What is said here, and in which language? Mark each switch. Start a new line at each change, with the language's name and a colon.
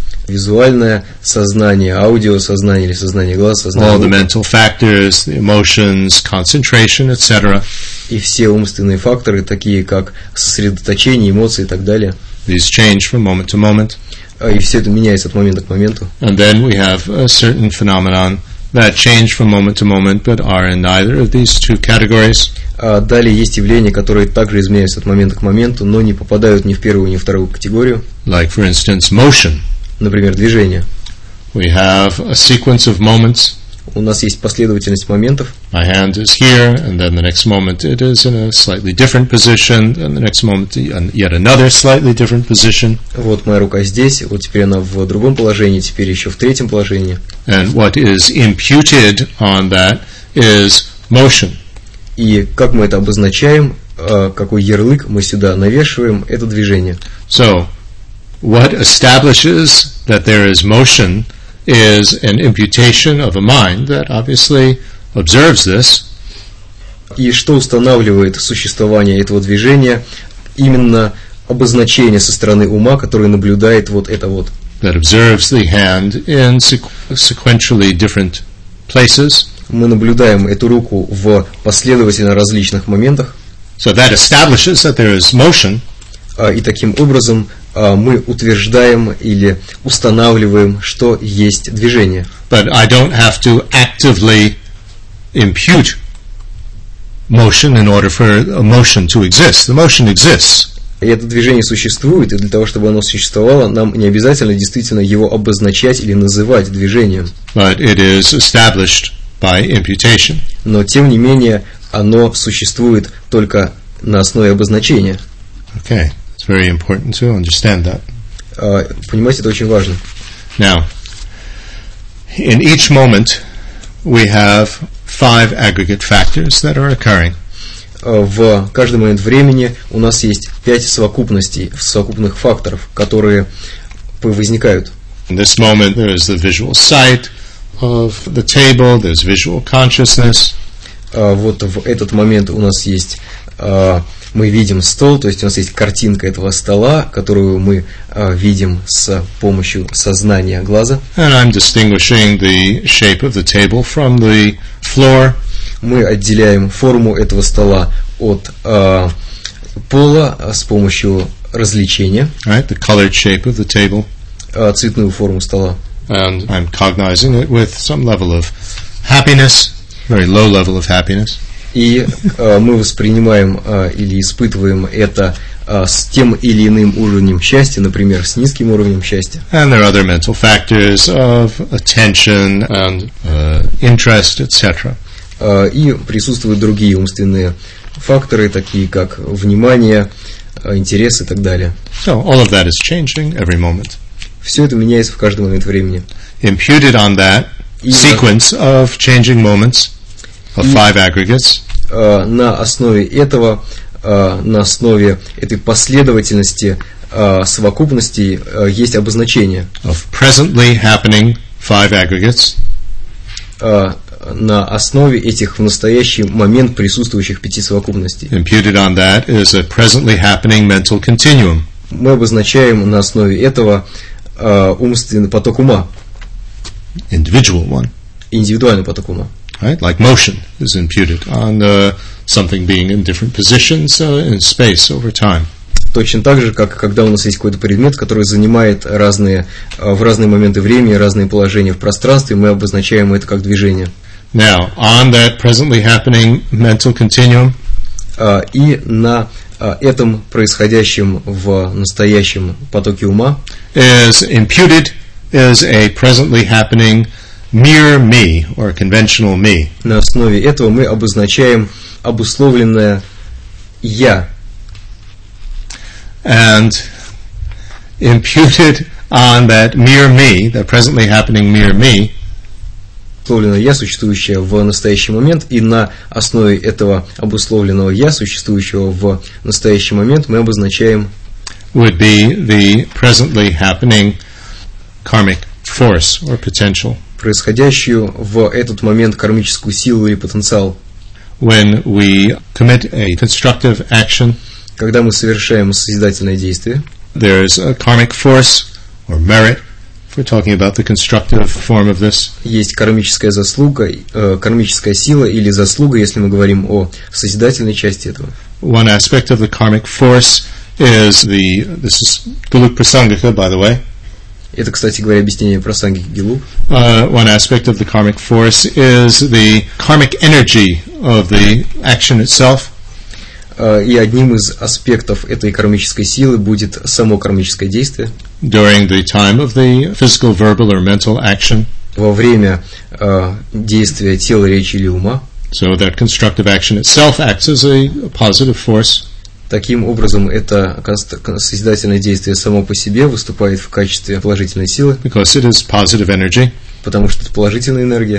Russian: визуальное сознание, аудиосознание или сознание глаз, сознание.
English: All the mental factors, the emotions, concentration, etc.
Russian: И все умственные факторы, такие как сосредоточение, эмоции и так далее.
English: These change from moment to moment.
Russian: И все это меняется от момента к моменту.
English: And then we have a certain phenomenon that change from moment to moment, but are in neither of these two categories.
Russian: Далее есть явления, которые также изменяются от момента к моменту, но не попадают ни в первую, ни в вторую категорию.
English: Like, for instance, motion.
Russian: Например, движение.
English: We have a sequence of moments.
Russian: У нас есть последовательность моментов.
English: My hand is here, and then the next moment it is in a slightly different position, and the next moment yet another slightly different position.
Russian: Вот моя рука здесь, вот теперь она в другом положении, теперь еще в третьем положении.
English: And what is imputed on that is motion.
Russian: И как мы это обозначаем, какой ярлык мы сюда навешиваем, это движение.
English: So, what establishes that there is motion is an imputation of a mind that obviously observes this.
Russian: И что устанавливает существование этого движения, именно обозначение со стороны ума, который наблюдает вот это вот.
English: That observes the hand in sequentially different places.
Russian: Мы наблюдаем эту руку в последовательно различных моментах.
English: So that establishes that there is motion.
Russian: И таким образом мы утверждаем или устанавливаем, что есть движение.
English: But I don't have to actively impute motion in order for a motion to exist. The motion exists.
Russian: И это движение существует, и для того, чтобы оно существовало, нам не обязательно действительно его обозначать или называть движением.
English: But it is established by imputation.
Russian: Но тем не менее оно существует только на основе обозначения.
English: Okay, it's very important to understand that.
Russian: Понимаете, это очень важно.
English: Now, in each moment, we have five aggregate factors that are occurring.
Russian: В каждый момент времени у нас есть пять совокупностей, совокупных факторов, которые возникают.
English: In this moment, there is the visual sight of the table, there's visual consciousness.
Russian: Вот в этот момент у нас есть, мы видим стол, то есть у нас есть картинка этого стола, которую мы видим с помощью сознания глаза.
English: And I'm distinguishing the shape of the table from the floor.
Russian: Мы отделяем форму этого стола от пола с помощью различения.
English: Right, the colored shape of the table.
Russian: Цветную форму стола.
English: And I'm cognizing it with some level of happiness, very low level of happiness.
Russian: И мы воспринимаем или испытываем это с тем или иным уровнем счастья, например, с низким уровнем счастья.
English: And there are other mental factors of attention and interest, etc.
Russian: И присутствуют другие умственные факторы, такие как внимание, интерес и так далее.
English: So all of that is changing every moment.
Russian: Все это меняется в каждый момент времени.
English: Imputed on that sequence of changing moments of five aggregates.
Russian: На основе этого, на основе этой последовательности совокупности есть обозначение.
English: Of presently happening five aggregates.
Russian: На основе этих в настоящий момент присутствующих пяти совокупностей.
English: Imputed on that is a presently happening mental continuum.
Russian: Мы обозначаем на основе этого умственный поток ума.
English: Individual one.
Russian: Индивидуальный поток ума.
English: Right, like motion is imputed on something being in different positions in space over time.
Russian: Точно так же, как когда у нас есть какой-то предмет, который занимает разные в разные моменты времени разные положения в пространстве, мы обозначаем это как движение.
English: Now, on that presently happening mental continuum.
Russian: И на этом происходящем в настоящем потоке ума.
English: Is imputed as a presently happening mere me or conventional me.
Russian: На основе этого мы обозначаем обусловленное я.
English: And imputed on that mere me, the presently happening mere me.
Russian: Обусловленное я, существующее в настоящий момент, и на основе этого обусловленного я, существующего в настоящий момент, мы обозначаем.
English: Would be the presently happening karmic force or potential.
Russian: Происходящую в этот момент кармическую силу или потенциал.
English: When we commit a constructive action,
Russian: когда мы совершаем созидательное действие,
English: there is a karmic force or merit. We're talking about the constructive form of this.
Russian: Есть кармическая заслуга, кармическая сила или заслуга, если мы говорим о созидательной части этого.
English: One aspect of the karmic force is the this is Gelug Prasangika, by the way.
Russian: Это, кстати говоря, объяснение Прасангики Гелуг.
English: One aspect of the karmic force is the karmic energy of the action itself.
Russian: И одним из аспектов этой кармической силы будет само кармическое действие.
English: During the time of the physical, verbal, or mental action.
Russian: Во время действия тела, речи или ума.
English: So that constructive action itself acts as a positive force.
Russian: Таким образом, это созидательное действие само по себе выступает в качестве положительной силы.
English: Because it is positive energy.
Russian: Потому что это положительная энергия.